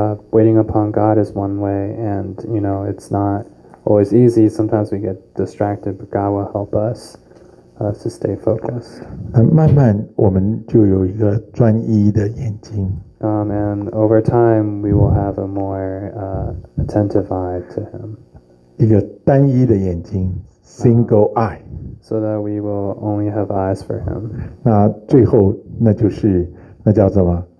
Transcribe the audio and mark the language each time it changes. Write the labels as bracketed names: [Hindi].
[English] Waiting upon God is one way, and you know, it's not. Always easy. Sometimes we get distracted, but God will help us to stay focused. [Chinese] 慢慢我们就有一个专一的眼睛。 [English] And over time, we will have a more attentive eye to Him. [Chinese] 一个单一的眼睛 ， [English] single eye. So that we will only have eyes for Him. [Chinese] 那最后那就是那叫什么？